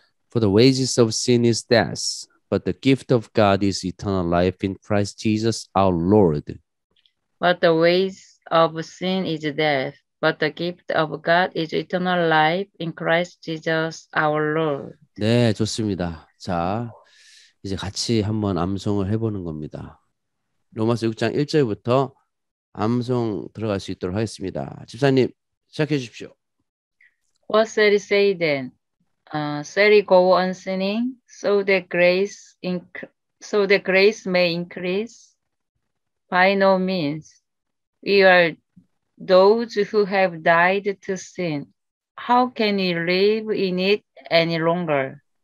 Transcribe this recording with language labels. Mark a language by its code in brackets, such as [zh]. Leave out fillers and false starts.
[en] For the wages of sin is death, but the gift of God is eternal life in Christ Jesus our Lord. But the wages of sin is death, but the gift of God is eternal life in Christ Jesus our Lord. [ko] 네, 좋습니다. 자, 이제 같이 한번 암송을 해보는 겁니다. 로마서 6장 1절부터 암송 들어갈 수 있도록 하겠습니다. 집사님, 시작해 주십시오. [en] What shall I say then? Shall we go on sinning so that grace may increase? By no means. We are those who have died to sin. How can we live in it any longer?